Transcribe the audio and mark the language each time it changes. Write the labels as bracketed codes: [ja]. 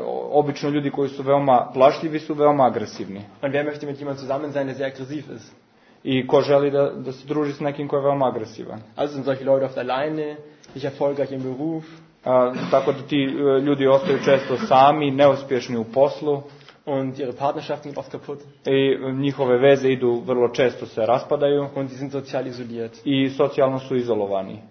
[bs] Obično ljudi koji su veoma plašljivi su veoma agresivni. [de] Und wer möchte mit jemandem zusammen sein, der sehr aggressiv ist? [bs] I ko želi da se druži s nekim koji je veoma agresivan. [de] Also sind solche Leute oft alleine, nicht erfolgreich im Beruf. [bs] Tako da ti ljudi ostaju često sami, neuspješni u poslu. [de] Und ihre Partnerschaften sind oft kaputt. [bs] I njihove veze idu vrlo često se raspadaju. [de] Und sie sind sozial isoliert. [bs] I socijalno su izolovani.